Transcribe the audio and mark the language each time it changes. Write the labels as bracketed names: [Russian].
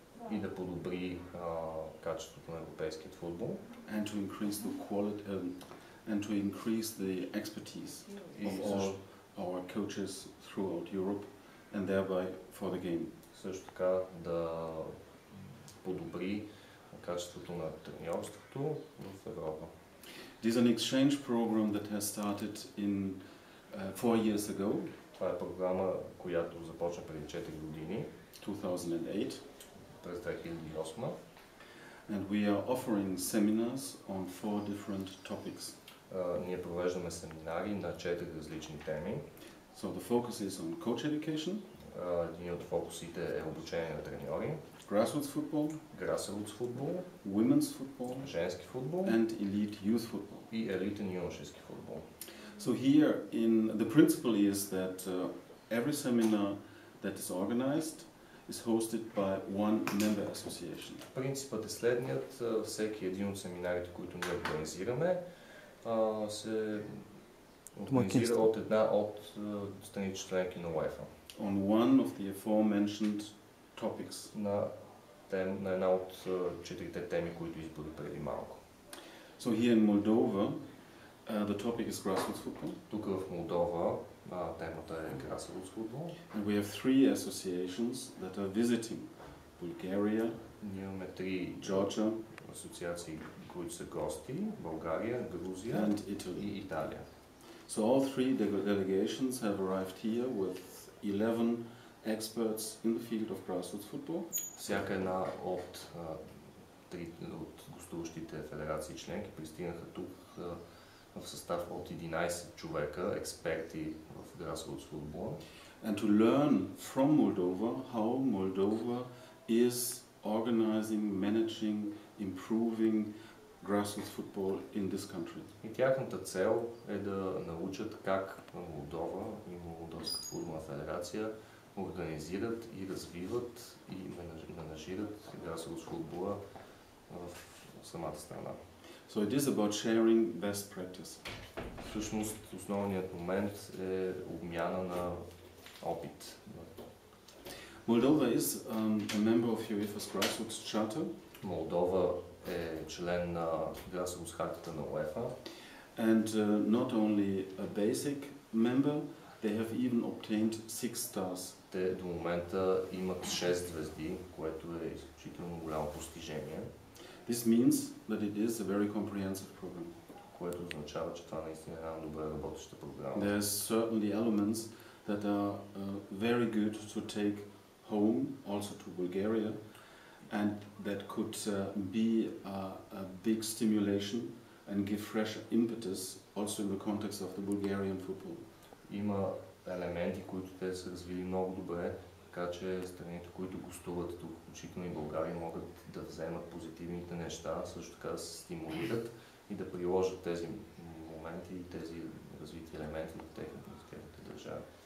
[Bulgarian] И да подобри качеството на европейският футбол. [English] And to increase the quality and to increase the expertise of all our coaches throughout Europe and thereby for the game. [Bulgarian] Също така да подобри качеството на тренировството в Европа. [English] This is an exchange program that has started in 4 years ago. [Bulgarian] Това е програма, която започна преди 4 години. [English] 2008. [Bulgarian] През 2008. [English] And we are offering seminars on 4 different topics. [Bulgarian] Ние провеждаме семинари на 4 различни теми. [English] So the focus is on coach education. [Bulgarian] Един от фокусите е обучение на треньори. [English] Grassroots football, grassroots football, women's football, [Bulgarian] женски футбол, [English] and elite youth football, [Bulgarian] и елитен юношески футбол. [English] So here in the principle is that every seminar that is organized is hosted by one member association. [Bulgarian] Принципът е следният: всеки един от семинарите, които ние организираме, се организира от една от страните членки на UEFA. [English] On one of the aforementioned topics. [Bulgarian] На една от четирите теми, които избори преди малко. [English] So here in Moldova, the topic is grassroots football. [Bulgarian] Тук в Молдова темата е grassroots football. [English] And we have three associations that are visiting Bulgaria. [Bulgarian] Ние имаме три [English] Georgia, [Bulgarian] асоциации, които са гости, България, Грузия [English] and Italy. [Bulgarian] И Италия. [English] So all three delegations have arrived here with 11 experts in the field of grassroots football. [Bulgarian] Всяка една от от гостуващите федерации членки пристигнаха тук в състав от 11 човека, експерти в grassroots football. [English] And to learn from Moldova how Moldova is organizing, managing, improving grassroots football in this country. [Bulgarian] И тяхната цел е да научат как Молдова и Молдовска футболна федерация организират и развиват и менажират grassroots футбола в самата страна. [English] So it is about sharing best practice. [Bulgarian] Всъщност основният момент е обмяна на опит. [English] Moldova is a member of UEFA's grassroots charter. [Bulgarian] Молдова е член на grassroots хартата на UEFA. [English] And not only a basic member, they have even obtained 6 stars. [Bulgarian] Те до момента имат 6 звезди, което е изключително голямо постижение. [English] This means that it is a very comprehensive program. [Bulgarian] Което означава, че това наистина е една добре работеща програма. [English] There are certainly elements that are very good to take home also to Bulgaria and that could be a big stimulation and give fresh impetus also in the context of the Bulgarian football. [Bulgarian] Има елементи, които те са развили много добре, така че страните, които гостуват тук, включително и България, могат да вземат позитивните неща, също така да се стимулират и да приложат тези моменти и тези развити елементи от техните държави.